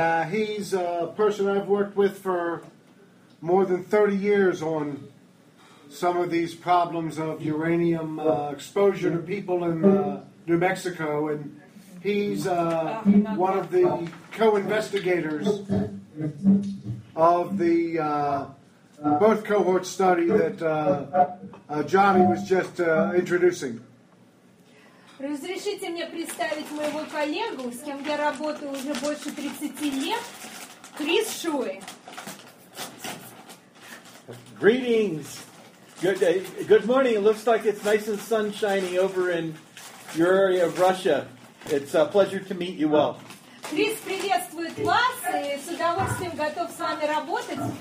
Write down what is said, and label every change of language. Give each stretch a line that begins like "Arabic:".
English: He's a person I've worked with for more than 30 years on some of these problems of uranium exposure to people in New Mexico, and he's one of the co-investigators of the birth cohort study that Johnny was just introducing.
Russian: Разрешите мне представить моего коллегу, с кем я работаю уже больше 30 лет, Крис Шуэ.
English: Greetings. Good morning. It looks like it's nice and sunshiny over in your area of Russia. It's a pleasure to meet you all.
Russian: Крис приветствует вас и с удовольствием готов с вами работать.